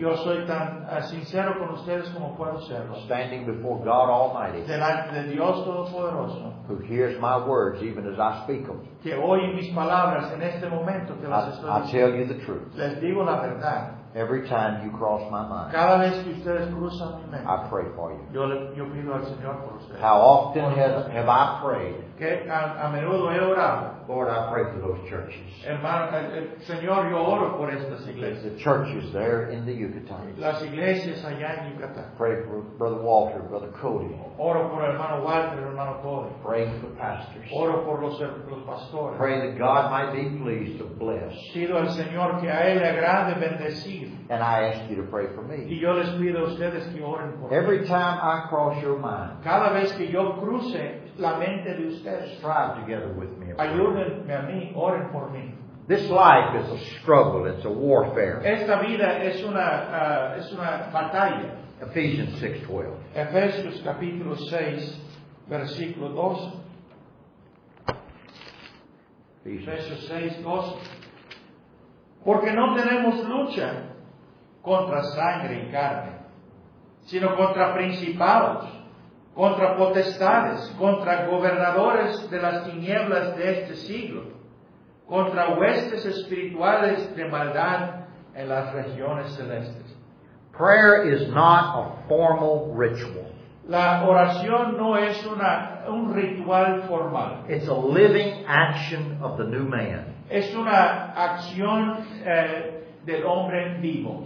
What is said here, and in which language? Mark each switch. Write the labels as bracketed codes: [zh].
[es] Yo soy tan sincero con ustedes como puedo serlo. [en] Standing before God Almighty, [es] delante de Dios Todopoderoso, [en] who hears my words even as I speak them, [es] que oye mis palabras en este momento que las estoy diciendo. [en] I tell you the truth. [es] Les digo la verdad. [en] Every time you cross my mind, [es] cada vez que ustedes cruzan mi mente, [en] I pray for you. [es] Yo pido al Señor por ustedes. [en] How often have I prayed? [es] Que a menudo he orado. [en] Lord, I pray for those churches. [es] Señor, yo oro por estas iglesias. [en] The churches there in the Yucatan. [es] Las iglesias allá en Yucatán. [en] Pray for Brother Walter, Brother Cody. [es] Oro por hermano Walter, hermano Cody. [en] Pray for the pastors. [es] Oro por los pastores. [en] Pray that God might be pleased to bless. [es] Pido al Señor que a él le agrade bendecir. [en] And I ask you to pray for me. [es] Y yo les pido a ustedes que oren por mí. [en] Every time I cross your mind, [es] cada vez que yo cruce la mente de ustedes, [en] strive together with me. [es] Ayúdenme a mí, oren por mí. [en] This life is a struggle, it's a warfare. [es] Esta vida es una batalla. [en] Ephesians 6:12. [es] Efesios capítulo 6, versículo 12. Efesios 6, 12. Porque no tenemos lucha contra sangre y carne, sino contra principados, contra potestades, contra gobernadores de las tinieblas de este siglo, contra huestes espirituales de maldad en las regiones celestes. [en] Prayer is not a formal ritual. [es] La oración no es un ritual formal. [en] It's a living action of the new man. [es] Es una acción del hombre vivo.